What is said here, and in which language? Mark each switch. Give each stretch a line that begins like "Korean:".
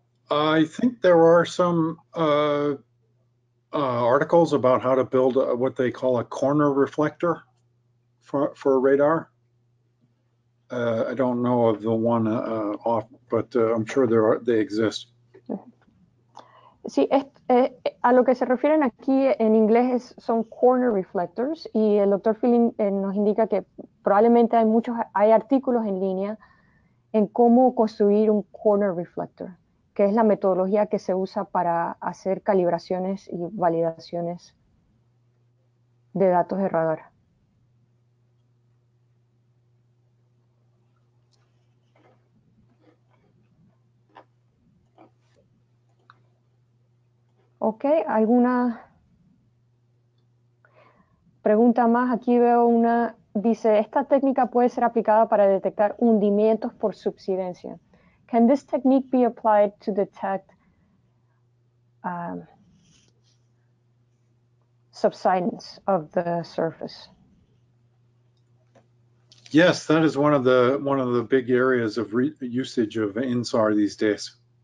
English: I think there are some articles about how to build what they call a corner reflector for radar. I don't know of the one off, but I'm sure there are, they exist.
Spanish: Sí, a lo que se refieren aquí en inglés es, son corner reflectors, y el doctor Filling nos indica que probablemente hay muchos, hay artículos en línea en cómo construir un corner reflector, que es la metodología que se usa para hacer calibraciones y validaciones de datos de radar. Ok, ¿alguna pregunta más? Aquí veo una, dice, esta técnica puede ser aplicada para detectar hundimientos por subsidencia.
English: Can this technique be applied to detect subsidence of the surface? Yes, that is one of the big areas of usage of INSAR these days.